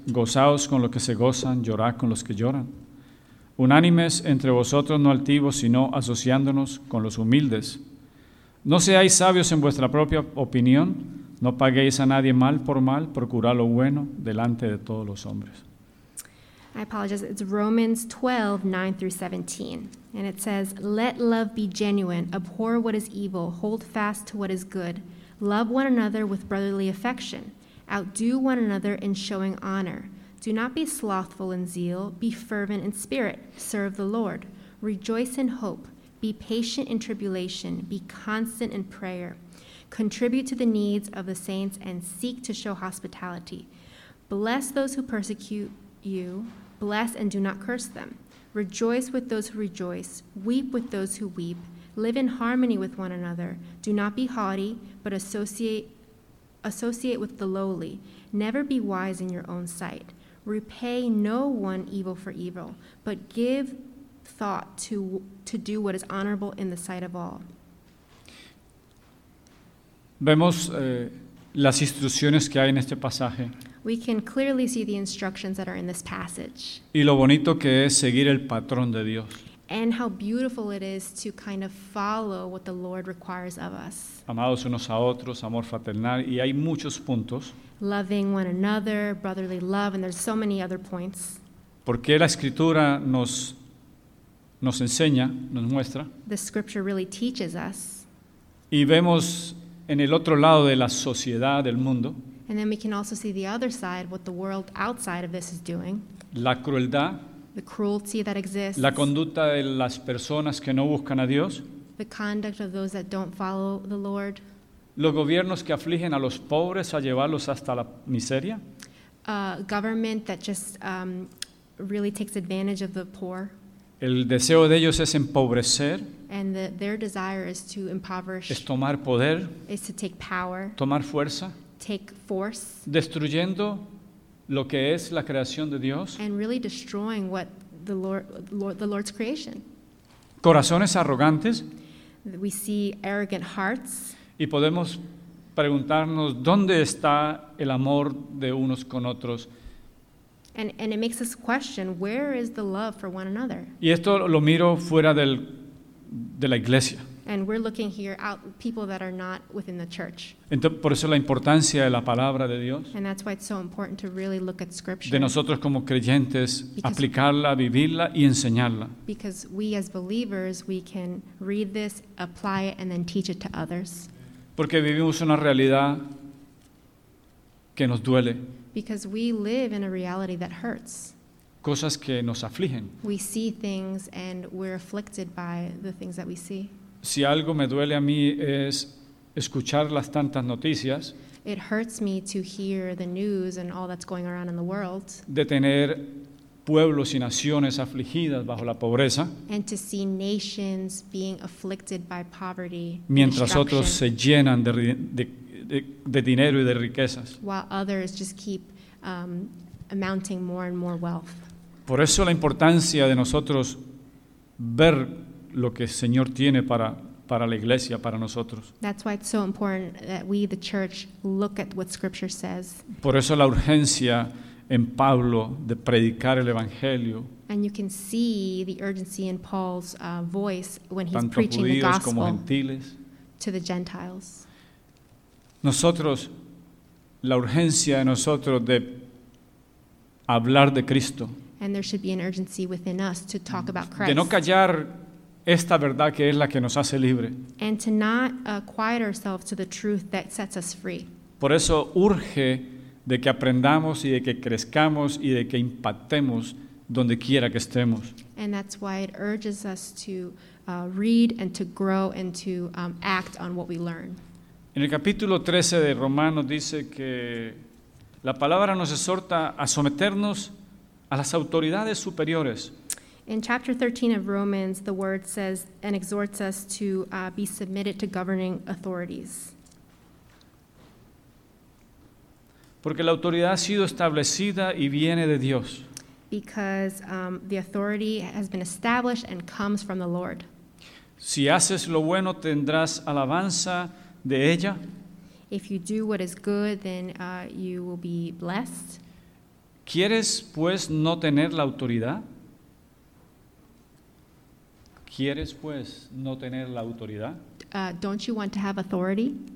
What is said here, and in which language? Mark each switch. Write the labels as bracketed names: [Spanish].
[Spanish] Gozaos con los que se gozan, llorad con los que lloran. Unánimes entre vosotros, no altivos, sino asociándonos con los humildes. No seáis sabios en vuestra propia opinión. No paguéis a nadie mal por mal, procurad lo bueno delante de todos los hombres. [English] I apologize, it's Romans 12, 9 through 17. And it says, let love be genuine, abhor what is evil, hold fast to what is good. Love one another with brotherly affection. Outdo one another in showing honor. Do not be slothful in zeal, be fervent in spirit, serve the Lord. Rejoice in hope, be patient in tribulation, be constant in prayer. Contribute to the needs of the saints and seek to show hospitality. Bless those who persecute you. Bless and do not curse them. Rejoice with those who rejoice. Weep with those who weep. Live in harmony with one another. Do not be haughty, but associate with the lowly. Never be wise in your own sight. Repay no one evil for evil, but give thought to do what is honorable in the sight of all. [Spanish] Vemos las instrucciones que hay en este pasaje. [English] We can clearly see the instructions that are in this passage. [Spanish] Y lo bonito que es seguir el patrón de Dios. [English] And how beautiful it is to kind of follow what the Lord requires of us. [Spanish] Amados unos a otros, amor fraternal, y hay muchos puntos. [English] Loving one another, brotherly love, and there's so many other points. [Spanish] Porque la Escritura nos enseña, nos muestra. [English] The Scripture really teaches us. [Spanish] Y vemos en el otro lado de la sociedad, del mundo. [English] And then we can also see the other side, what the world outside of this is doing. [Spanish] La crueldad. [English] The cruelty that exists. [Spanish] La conducta de las personas que no buscan a Dios. [English] The conduct of those that don't follow the Lord. [Spanish] Los gobiernos que afligen a los pobres a llevarlos hasta la miseria. [English] Government that just really takes advantage of the poor. [Spanish] El deseo de ellos es empobrecer. [English] And their desire is to impoverish. [Spanish] Es tomar poder. [English] Is to take power. [Spanish] Tomar fuerza. [English] Take force. [Spanish] Destruyendo lo que es la creación de Dios. [English] And really destroying what the Lord's creation. [Spanish] Corazones arrogantes. [English] We see arrogant hearts. [Spanish] Y podemos preguntarnos dónde está el amor de unos con otros. [English] And it makes us question, where is the love for one another? [Spanish] Y esto lo miro fuera de la iglesia. [English] And we're looking here out people that are not within the church. [Spanish] Entonces, por eso la importancia de la palabra de Dios. [English] And that's why it's so important to really look at scripture. [Spanish] De nosotros como creyentes, aplicarla, vivirla y enseñarla. [English] Because we as believers, we can read this, apply it, and then teach it to others. [Spanish] Porque vivimos una realidad que nos duele. [English] Because we live in a reality that hurts. [Spanish] Cosas que nos afligen. [English] We see things and we're afflicted by the things that we see. [Spanish] Si algo me duele a mí es escuchar las tantas noticias. [English] It hurts me to hear the news and all that's going around in the world. [Spanish] De tener pueblos y naciones afligidas bajo la pobreza. [English] And to see nations being afflicted by poverty. [Spanish] Mientras otros se llenan de dinero y de riquezas. [English] While others just keep amounting more and more wealth. [Spanish] Por eso la importancia de nosotros ver lo que el Señor tiene para la iglesia, para nosotros. [English] That's why it's so important that we, the church, look at what Scripture says. [Spanish] Por eso la urgencia en Pablo de predicar el Evangelio. [English] And you can see the urgency in Paul's voice when he's [Spanish] tanto [English] preaching [Spanish] judíos [English] the gospel [Spanish] como gentiles. [English] To the Gentiles. [Spanish] Nosotros, la urgencia de nosotros de hablar de Cristo. [English] And there should be an urgency within us to talk about Christ. [Spanish] De no callar esta verdad que es la que nos hace libre. [English] And to not quiet ourselves to the truth that sets us free. [Spanish] Por eso urge de que aprendamos y de que crezcamos y de que impactemos donde quiera que estemos. [English] And that's why it urges us to read and to grow and to act on what we learn. [Spanish] En el capítulo 13 de Romanos dice que la palabra nos exhorta a someternos a las autoridades superiores. [English] In chapter 13 of Romans, the word says and exhorts us to be submitted to governing authorities. [Spanish] Porque la autoridad ha sido establecida y viene de Dios. [English] Because the authority has been established and comes from the Lord. [Spanish] Si haces lo bueno, tendrás alabanza de ella. [English] If you do what is good, then you will be blessed. [Spanish] ¿Quieres, pues, no tener la autoridad? ¿Quieres, pues, no tener la autoridad? [English] Don't you want to have authority?